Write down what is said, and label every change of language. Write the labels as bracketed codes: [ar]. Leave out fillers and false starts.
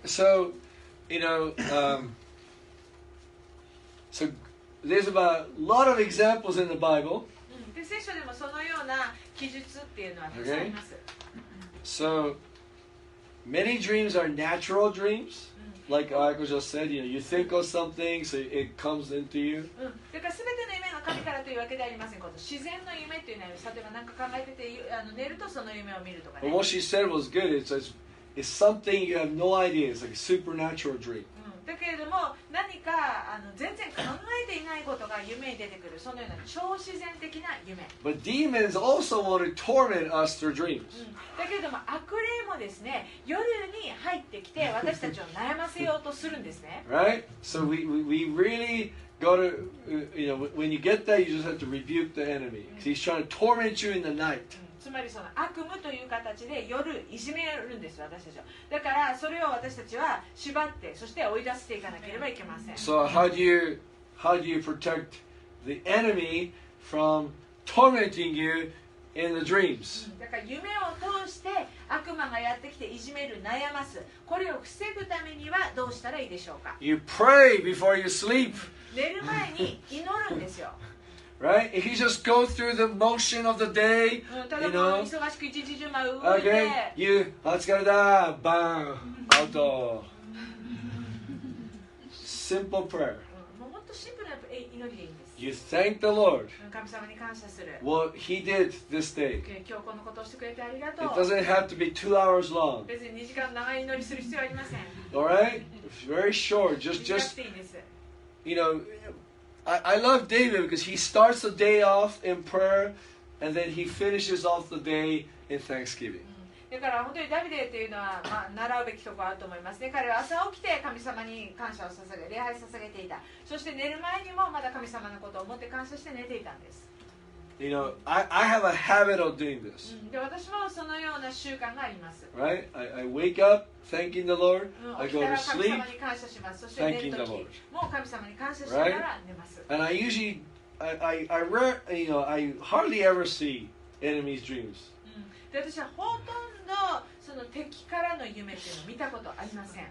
[en] So, you know, so there's about a lot of examples in the Bible. [ja] で、聖書でもそのような記述っていうのはたくさんあります。 [en] So,Many dreams are natural dreams. Like Aiko just said, you know, you think of something, so it comes into you. [ja] だから全ての夢が神からというわけではありません。自然の夢というのは、例えば何か考えてて寝るとその夢を見るとかね。 [en] What she said was good. It's something you have no idea. It's like a supernatural dream. [ja] だけれども何か全然考えていないことが夢に出てくる、そのような超自然的な夢。 [en] But demons also want to torment us through dreams、 [ja] うん、だけれども悪霊もですね、夜に入ってきて私たちを悩ませようとするんですね。 [en] Right? So we reallygo to, you know, when you get that, you just have to rebuke the enemy. Because he's trying to torment you in the night. [ja] つまりその悪夢という形で夜いじめるんです私たちを。だからそれを私たちは縛って、そして追い出していかなければいけません。 [en] So how do you protect the enemy from tormenting you in the dreams? [ja] だから夢を通して悪魔がやってきていじめる、悩ます。これを防ぐためにはどうしたらいいでしょうか? [en] You pray before you sleep. [ja] 寝る前に祈るんですよ。 [en] Right? If you just go through the motion of the day, you know. [ja] 忙しく一日中回って。 [en] Okay. You, [ja] お疲れだ。バーン。アウト。 [en] Simple prayer. [ja] もっとシンプルな祈りでいいんです。 [en] You thank the Lord. [ja] 神様に感謝する。 [en] What He did this day. [ja] 今日このことをしてくれてありがとう。 [en] It doesn't have to be 2 hours long. [ja] 別に2時間長い祈りする必要はありません。 [en] All right? It's very short. Just. You know, I love David because he starts the day off in prayer and then he finishes off the day in thanksgiving. [ja] だから本当にダビデというのは、まあ、習うべきところあると思いますね。彼は朝起きて神様に感謝を捧げ、礼拝を捧げていた。そして寝る前にもまだ神様のことを思って感謝して寝ていたんです。 [en] You know, I have a habit of doing this. [ja] で、私もそのような習慣があります。 [en] Right? I wake up thanking the Lord. I go to sleep. [ja] 神様に感謝します。そして寝る時も神様に感謝しながら寝ます。 [en] And I usually, I rare, you know, I hardly ever see enemies' dreams. [ja] で、私はほとんどその敵からの夢っていうのを見たことありません。